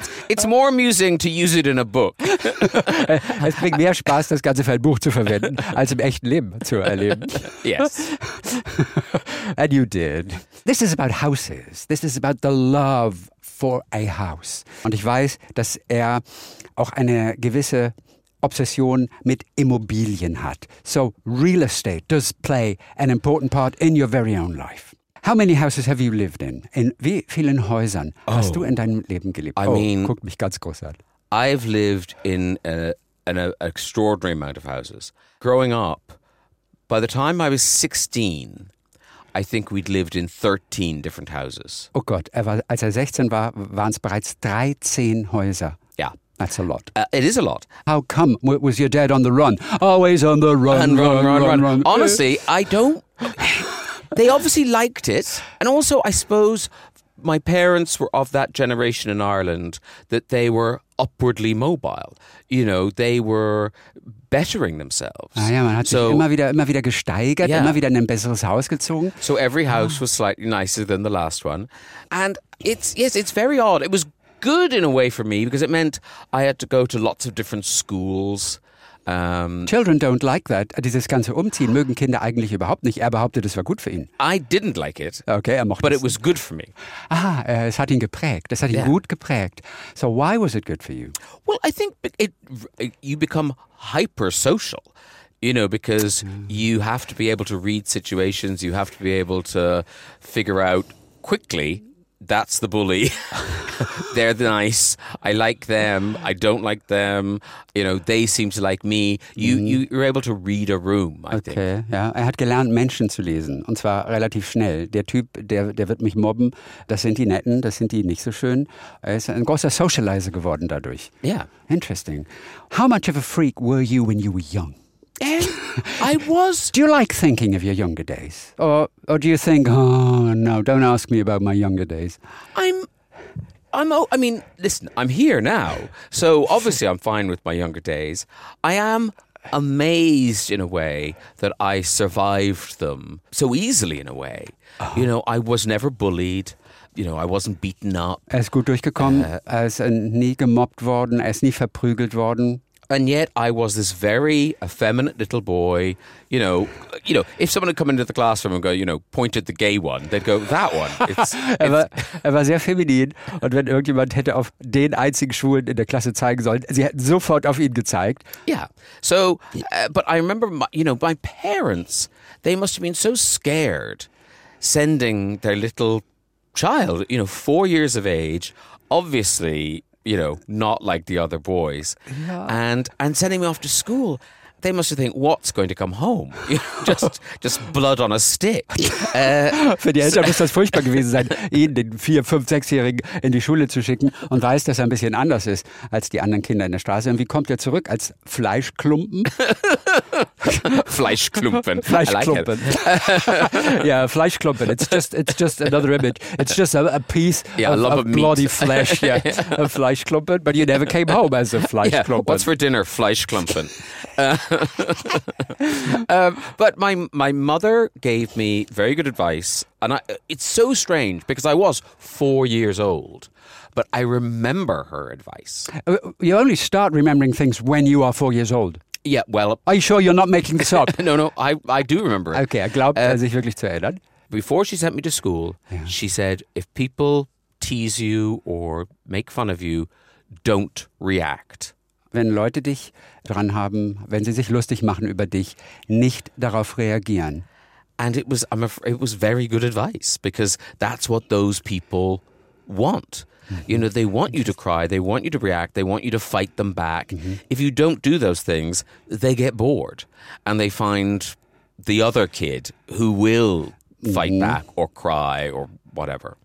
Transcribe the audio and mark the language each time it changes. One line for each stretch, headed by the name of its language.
English: It's more amusing to use it in a book.
German: Es bringt mehr Spaß, das Ganze für ein Buch zu verwenden, als im echten Leben zu erleben.
English: Yes. And you did. This is about houses. This is about the love for a house.
German: Und ich weiß, dass er auch eine gewisse Obsession mit Immobilien hat.
English: So real estate does play an important part in your very own life. How many houses have you lived in?
German: In wie vielen Häusern hast du in deinem Leben gelebt?
English: I mean,
German: guck mich ganz groß an.
English: I've lived in an extraordinary amount of houses. Growing up, by the time I was 16, I think we'd lived in 13 different houses.
German: Oh Gott, als 16 war, waren es bereits 13 Häuser.
English: Yeah. That's a lot. It is a lot. How come? Was your dad on the run? Always on the run. And run. Honestly, I don't... They obviously liked it. And also, I suppose my parents were of that generation in Ireland that they were upwardly mobile. You know, they were bettering themselves.
German: Ah ja, man hat sich immer wieder gesteigert, yeah. Immer wieder in ein besseres Haus gezogen.
English: So every house was slightly nicer than the last one. And it's very odd. It was good in a way for me because it meant I had to go to lots of different schools. Children don't like that.
German: Dieses ganze Umziehen mögen Kinder eigentlich überhaupt nicht. Er behauptet, es war gut für ihn.
English: I didn't like it.
German: Okay, er mochte
English: es. But it was good for me.
German: Aha, es hat ihn geprägt. Es hat ihn gut geprägt.
English: So why was it good for you? Well, I think you become hyper-social. You know, because you have to be able to read situations. You have to be able to figure out quickly, that's the bully. They're the nice. I like them. I don't like them. You know, they seem to like me. You're able to read a room, I think.
German: Okay, ja. Er hat gelernt, Menschen zu lesen. Und zwar relativ schnell. Der Typ, der wird mich mobben. Das sind die Netten, das sind die nicht so schön. Er ist ein großer Socializer geworden dadurch.
English: Yeah. Interesting. How much of a freak were you when you were young? I was. Do you like thinking of your younger days? Or do you think, oh, no, don't ask me about my younger days? Listen, I'm here now. So obviously I'm fine with my younger days. I am amazed in a way that I survived them so easily in a way. Oh. You know, I was never bullied. You know, I wasn't beaten up.
German: Er ist gut durchgekommen. Er ist nie gemobbt worden. Er ist nie verprügelt worden.
English: And yet I was this very effeminate little boy, you know, if someone had come into the classroom and go, you know, pointed the gay one, they'd go, that one.
German: Er war sehr feminin und wenn irgendjemand hätte auf den einzigen Schwulen in der Klasse zeigen sollen, sie hätten sofort auf ihn gezeigt.
English: Yeah. So, but I remember, my parents, they must have been so scared sending their little child, you know, 4 years of age, obviously, you know, not like the other boys, and sending me off to school, they must have think, what's going to come home? just blood on a stick.
German: Für die Eltern muss das furchtbar gewesen sein, ihn, den 4-, 5-, 6-Jährigen, in die Schule zu schicken und weiß, dass er ein bisschen anders ist als die anderen Kinder in der Straße. Und wie kommt er zurück? Als Fleischklumpen? Fleischklumpen. Fleischklumpen.
English: I like it. Yeah, Fleischklumpen. It's just another image. It's just a piece of bloody meat. Flesh. Yeah, a Fleischklumpen. But you never came home as a Fleischklumpen. Yeah. What's for dinner? Fleischklumpen. but my mother gave me very good advice. And it's so strange because I was 4 years old. But I remember her advice. You only start remembering things when you are 4 years old. Yeah, well... Are you sure you're not making this up? No, I do remember it.
German: Okay, I glaub, sich wirklich zu erinnern.
English: Before she sent me to school, she said, if people tease you or make fun of you, don't react.
German: Wenn Leute dich dran haben, wenn sie sich lustig machen über dich, nicht darauf reagieren.
English: And it was very good advice, because that's what those people want. You know, they want you to cry, they want you to react, they want you to fight them back. Mm-hmm. If you don't do those things, they get bored and they find the other kid who will fight back or cry or whatever.